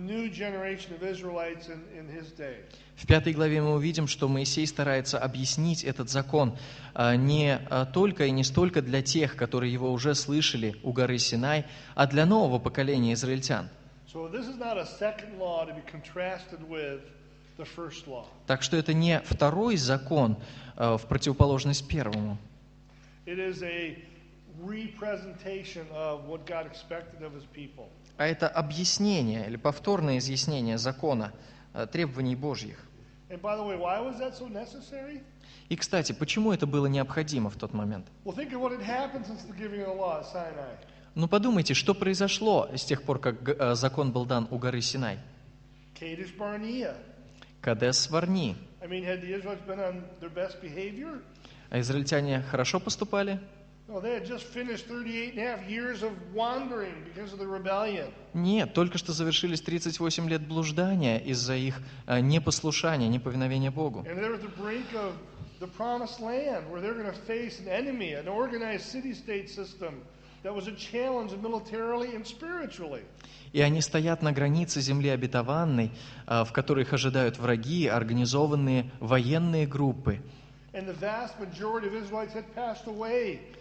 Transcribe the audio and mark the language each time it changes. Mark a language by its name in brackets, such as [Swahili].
[Russian] В 5 главе мы увидим, что Моисей старается объяснить этот закон не только и не столько для тех, которые его уже слышали у горы Синай, а для нового поколения израильтян. [English] So this is not a second law to be contrasted with the first law. [Russian] Так что это не второй закон в противоположность первому. [English] It is a representation of what God expected of His people. [Russian] А это объяснение или повторное изъяснение закона, требований Божьих. [English] And by the way, why was that so necessary? [Russian] И, кстати, почему это было необходимо в тот момент? [English] Well, think of what had happened since the giving of the law at Sinai. [Russian] Ну, подумайте, что произошло с тех пор, как закон был дан у горы Синай? Кадеш Барния. Кадеш Барни. [English] I mean, had the Israelites been on their best behavior? [Russian] А израильтяне хорошо поступали? [English] They had just finished 38 and a half years of wandering because of the rebellion. [Russian] Нет, только что завершились 38 лет блуждания из-за их непослушания, неповиновения Богу. [English] And they're at the brink of the promised land, where they're going to face an enemy, an organized city-state system that was a challenge militarily and spiritually. [Russian] И они стоят на границе земли обетованной, в которой их ожидают враги, организованные военные группы. [English] And the vast majority of Israelites had passed away.